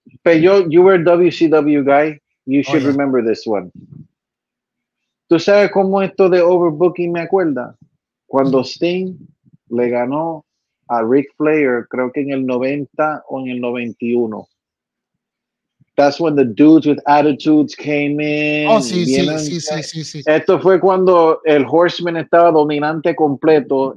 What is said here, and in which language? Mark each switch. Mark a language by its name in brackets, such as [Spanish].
[English] Pero you were a WCW guy. You should remember this one. [Spanish] ¿Tú sabes cómo esto de overbooking me acuerda? Cuando Sting le ganó a Ric Flair, creo que en el 90 o en el 91. [English] That's when the dudes with attitudes came in. [Spanish] Oh, sí. Esto fue cuando el Horseman estaba dominante completo.